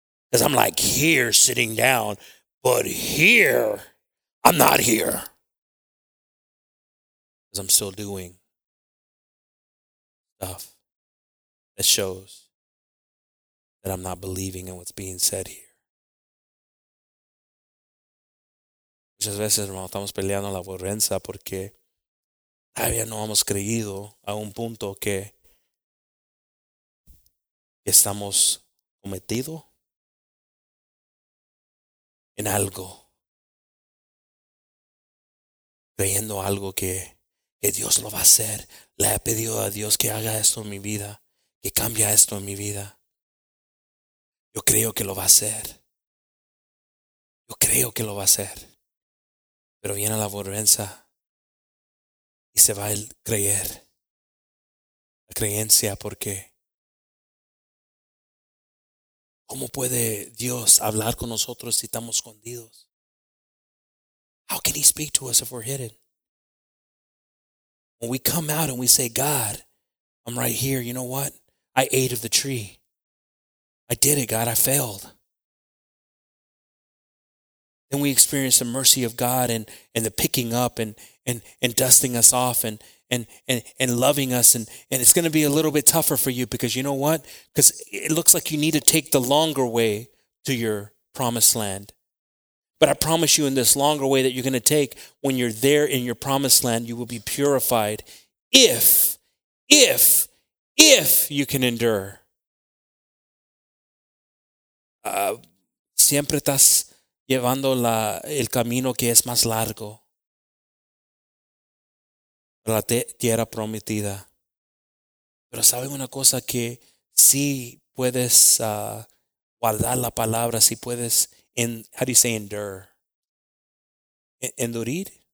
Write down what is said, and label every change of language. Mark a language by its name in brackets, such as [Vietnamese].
[English] Because I'm like here sitting down, but here, I'm not here. Because I'm still doing stuff that shows that I'm not believing in what's being said here. [Spanish] Muchas veces, hermano, estamos peleando la vergüenza porque todavía no hemos creído a un punto que estamos cometido en algo, creyendo algo que Dios lo va a hacer. Le he pedido a Dios que haga esto en mi vida, que cambie esto en mi vida. Yo creo que lo va a hacer. Yo creo que lo va a hacer. Pero viene la vergüenza y se va el creer. La creencia, porque ¿cómo puede Dios hablar con nosotros si estamos escondidos? [English] How can he speak to us if we're hidden? When we come out and we say, God, I'm right here. You know what? I ate of the tree. I did it, God. I failed. then we experience the mercy of God and the picking up and dusting us off and loving us. And it's going to be a little bit tougher for you because you know what? Because it looks like you need to take the longer way to your promised land. But I promise you in this longer way that you're going to take, when you're there in your promised land, you will be purified if you can endure. [Spanish] Siempre estás llevando el camino que es más largo. La tierra prometida. Pero sabes una cosa, que si puedes guardar la palabra, si puedes, [English] how do you say endure? [Spanish] Endurir?